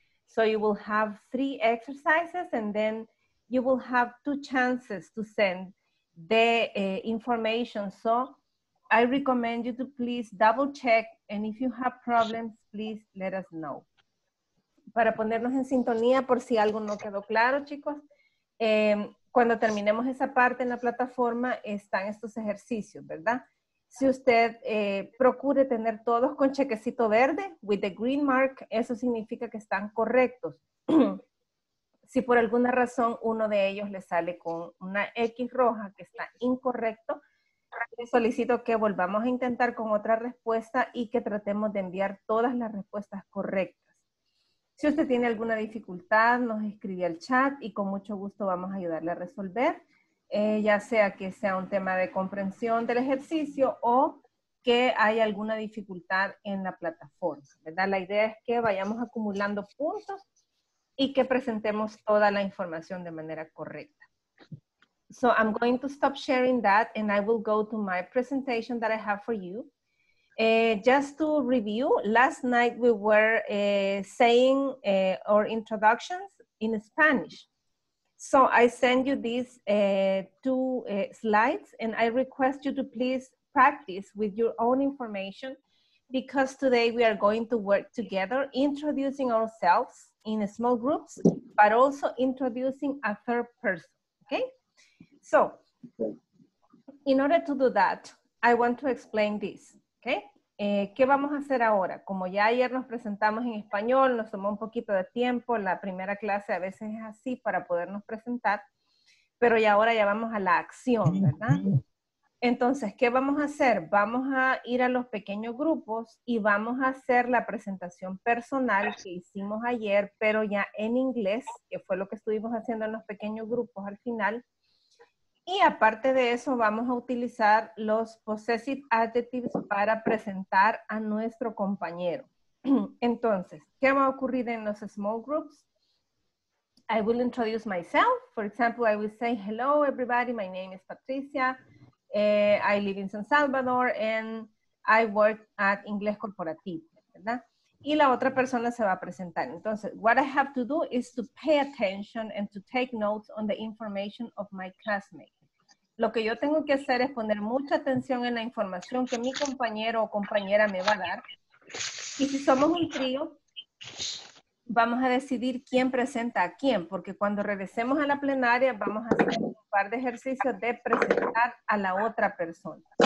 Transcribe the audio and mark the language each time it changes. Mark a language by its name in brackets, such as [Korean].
[English] So you will have three exercises, and then you will have two chances to send the information. So I recommend you to please double check, and if you have problems, please let us know. [Spanish] Para ponernos en sintonía por si algo no quedó claro, chicos, cuando terminemos esa parte en la plataforma, están estos ejercicios, ¿verdad? Si usted procure tener todos con chequecito verde, [English] with the green mark, [Spanish] eso significa que están correctos. Si por alguna razón uno de ellos le sale con una X roja que está incorrecto, le solicito que volvamos a intentar con otra respuesta y que tratemos de enviar todas las respuestas correctas. Si usted tiene alguna dificultad, nos escribe al chat y con mucho gusto vamos a ayudarle a resolver, ya sea que sea un tema de comprensión del ejercicio o que haya alguna dificultad en la plataforma, ¿verdad? La idea es que vayamos acumulando puntos y que presentemos toda la información de manera correcta. [English] So I'm going to stop sharing that and I will go to my presentation that I have for you. Just to review, last night we were saying our introductions in Spanish. So I send you these two slides, and I request you to please practice with your own information, because today we are going to work together introducing ourselves in small groups, but also introducing a third person, okay? So in order to do that, I want to explain this, okay? [Spanish] ¿Qué vamos a hacer ahora? Como ya ayer nos presentamos en español, nos tomó un poquito de tiempo, la primera clase a veces es así para podernos presentar, pero ya ahora ya vamos a la acción, ¿verdad? Entonces, ¿qué vamos a hacer? Vamos a ir a los pequeños grupos y vamos a hacer la presentación personal que hicimos ayer, pero ya en inglés, que fue lo que estuvimos haciendo en los pequeños grupos al final. Y aparte de eso, vamos a utilizar los possessive adjectives para presentar a nuestro compañero. Entonces, ¿qué va a ocurrir en los small groups? [English] I will introduce myself. For example, I will say, hello everybody, my name is Patricia. I live in San Salvador and I work at Inglés Corporativo, ¿verdad? [Spanish] Y la otra persona se va a presentar. [English] Entonces, what I have to do is to pay attention and to take notes on the information of my classmate. [Spanish] Lo que yo tengo que hacer es poner mucha atención en la información que mi compañero o compañera me va a dar. Y si somos un trío, vamos a decidir quién presenta a quién, porque cuando regresemos a la plenaria vamos a hacer un par de ejercicios de presentar a la otra persona.